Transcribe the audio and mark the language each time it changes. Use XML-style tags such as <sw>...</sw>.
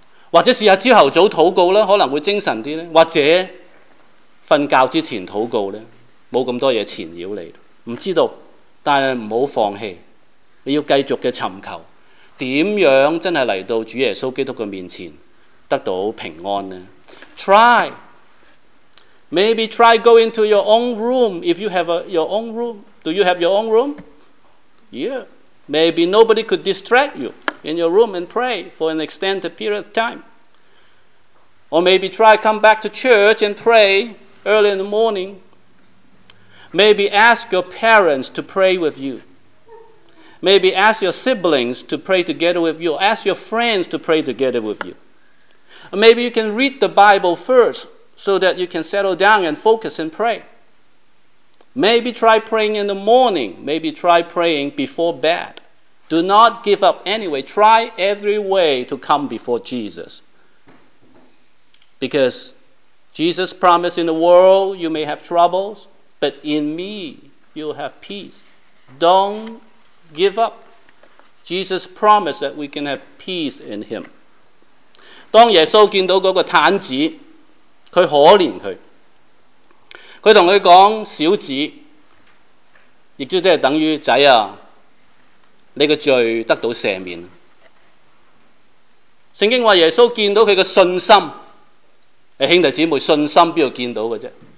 <zh>或者试试朝头早祷告，可能会精神一点，或者睡觉之前祷告，没那么多东西缠绕你，不知道，但是不要放弃，你要继续的寻求怎样真的来到主耶稣基督的面前得到平安呢？</zh> <en>Try Maybe try going to your own room. If you have your own room, do you have your own room? Yeah. Maybe nobody could distract you in your room and pray for an extended period of time. Or maybe try come back to church and pray early in the morning. Maybe ask your parents to pray with you. Maybe ask your siblings to pray together with you. Ask your friends to pray together with you. Or maybe you can read the Bible first, so that you can settle down and focus and pray. Maybe try praying in the morning. Maybe try praying before bed. Do not give up anyway. Try every way to come before Jesus. Because Jesus promised in the world you may have troubles, but in me you'll have peace. Don't give up. Jesus promised that we can have peace in him.</en> <zh>当耶稣见到那个瘫子，他可怜他，他跟他说，小子，也就是等于仔啊，你的罪得到赦免。圣经说耶稣见到他的信心，兄弟姊妹，信心哪里见到的？</zh>